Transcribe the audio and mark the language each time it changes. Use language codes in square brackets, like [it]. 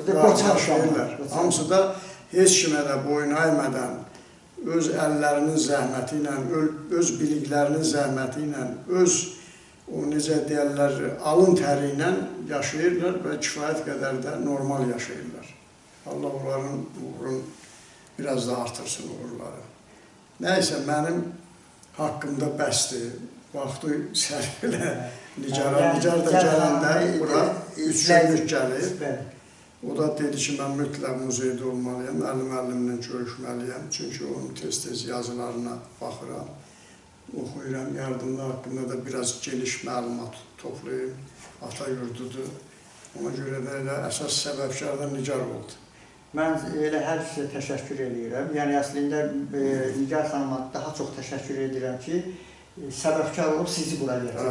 [az] qarşılaşırlar. Hamısı da heç kimə də boyun əymədən, öz əllərinin zəhməti ilə, öz biliklərinin zəhməti ilə, öz o necə deyərlər, alın təri ilə yaşayırlar və kifayət qədər də normal yaşayırlar. Allah onların uğurun biraz da artırsın uğurları. Nəysə, mənim haqqımda bəsdir. Vaxtı sərf ilə Nigar da gələndə, bura üç günlük gəlir. O da dedi ki, mən mütləq muzeydə olmalıyam, müəllimlə görüşməliyəm. Çünki onun tez-tez yazılarına baxıram, oxuyuram. Yardımlar haqqında da biraz geniş məlumat toplayayım. Ata yurdudur, [tr] Ona göre de esas sebepçilerden Nigar oldu. Ben öyle her size teşekkür ediyorum. Yani aslında Nigar Hanım'a daha çok teşekkür ediyorum ki sebepçiler olup sizi bulabilirim.